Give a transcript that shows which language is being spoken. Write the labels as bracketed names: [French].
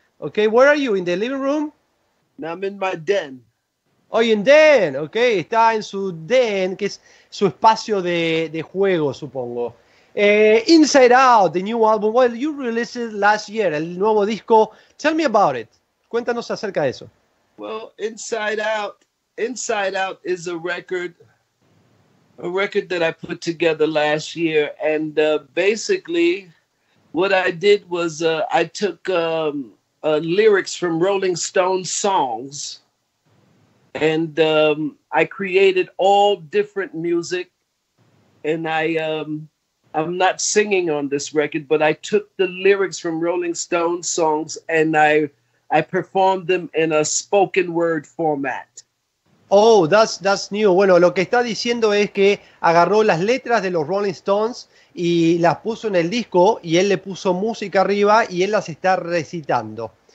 [English] Okay, where are you? In the living room? No, I'm in my den. Oh, in den. [Spanish] Okay, está en su den, que es su espacio de juego, supongo. [English] Inside Out, the new album. Well, you released it last year, [Spanish] el nuevo disco. [English] Tell me about it. [Spanish] Cuéntanos acerca de eso. [English] Well, Inside Out is a record that I put together last year. And basically, what I did was I took lyrics from Rolling Stone songs, and I created all different music. And I'm not singing on this record, but I took the lyrics from Rolling Stone songs and I performed them in a spoken word format. Oh, that's new. [Spanish] Bueno, lo que está diciendo es que agarró las letras de los Rolling Stones y las puso en el disco y él le puso música arriba y él las está recitando.